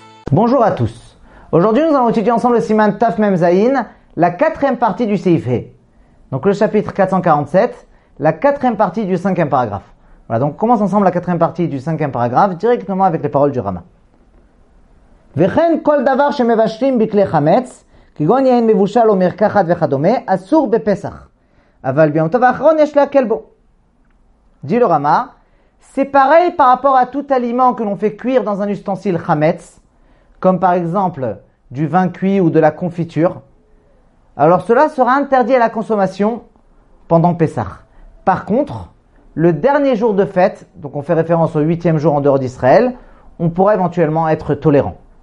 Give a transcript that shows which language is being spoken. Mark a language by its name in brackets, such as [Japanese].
[French] Bonjour à tous. Aujourd'hui, nous allons étudier ensemble le Siman Taf Mem Zayin, la quatrième partie du Seif He. Donc le chapitre 447, la quatrième partie du cinquième paragraphe. Voilà, donc on commence ensemble la quatrième partie du cinquième paragraphe directement avec les paroles du Rama. [Hebrew] וכן כל דבר שמבשלים בכלי חמץ, כגון יין מבושל או מרקחת וכדומה, אסור בפסח. אבל ביום טוב האחרון יש להקל בו. [French] Dit le Rama, c'est pareil par rapport à tout aliment que l'on fait cuire dans un ustensile chametz, comme par exemple du vin cuit ou de la confiture. Alors cela sera interdit à la consommation pendant Pessah. Par contre, le dernier jour de fête, donc on fait référence au huitième jour en dehors d'Israël, on pourra éventuellement être tolérant.